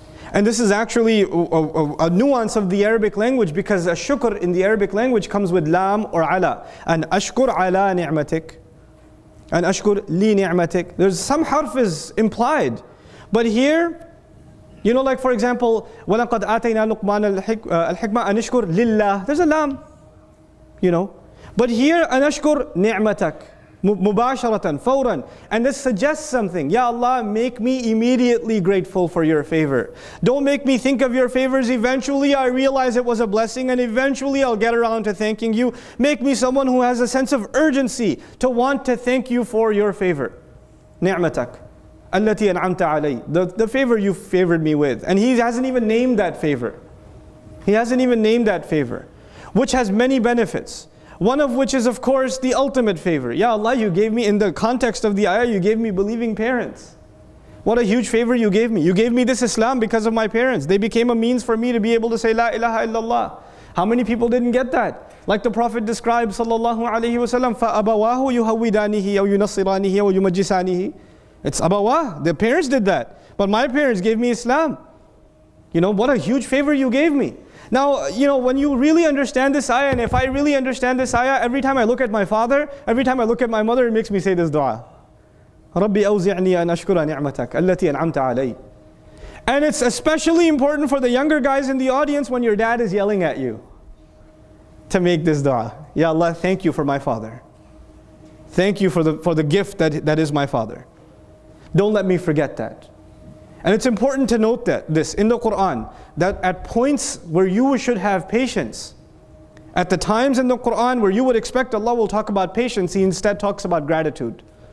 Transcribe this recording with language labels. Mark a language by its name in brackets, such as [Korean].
[English] And this is actually a nuance of the Arabic language, because a shukr in the Arabic language comes with lam or ala. [Arabic] An ashkur ala ni'matik. An ashkur li ni'matik. [English] There's some harf is implied. But here, you know, like for example, [Arabic] وَلَقَدْ آتَيْنَا لُقْمَانَ الْحِكْمَةَ أَنْ اشْكُرْ لِلَّهِ. [English] There's a lam, you know. But here, [Arabic] أَنْ اشْكُرْ نِعْمَتَكَ مُبَاشَرَةً فَوْرًا. [English] And this suggests something. Ya Allah, make me immediately grateful for your favor. Don't make me think of your favors. Eventually, I realize it was a blessing, and eventually I'll get around to thanking you. Make me someone who has a sense of urgency to want to thank you for your favor. [Arabic] نِعْمَتَكَ التي أنعمت علي, [English] the favor you favored me with. And he hasn't even named that favor. He hasn't even named that favor. Which has many benefits. One of which is, of course, the ultimate favor. Ya Allah, you gave me, in the context of the ayah, you gave me believing parents. What a huge favor you gave me. You gave me this Islam because of my parents. They became a means for me to be able to say, La ilaha illallah. How many people didn't get that? Like the Prophet described, sallallahu alayhi wa sallam, [Arabic] فَأَبَوَاهُ يُهَوِّدَانِهِ أَوْ يُنَصِرَانِهِ أَوْ يُمَجِّسَانِهِ. [English] It's abawah, their parents did that. But my parents gave me Islam. You know, what a huge favor you gave me. Now, you know, when you really understand this ayah, and if I really understand this ayah, every time I look at my father, every time I look at my mother, it makes me say this dua. [Arabic] رَبِّ أَوْزِعْنِي أَنْ أَشْكُرَ نِعْمَتَكَ الَّتِي أَنْعَمْتَ عَلَيْهِ. [English] And it's especially important for the younger guys in the audience when your dad is yelling at you to make this dua. Ya Allah, thank you for my father. Thank you for the gift that is my father. Don't let me forget that. And it's important to note that this in the Quran, that at points where you should have patience, at the times in the Quran where you would expect Allah will talk about patience, He instead talks about gratitude.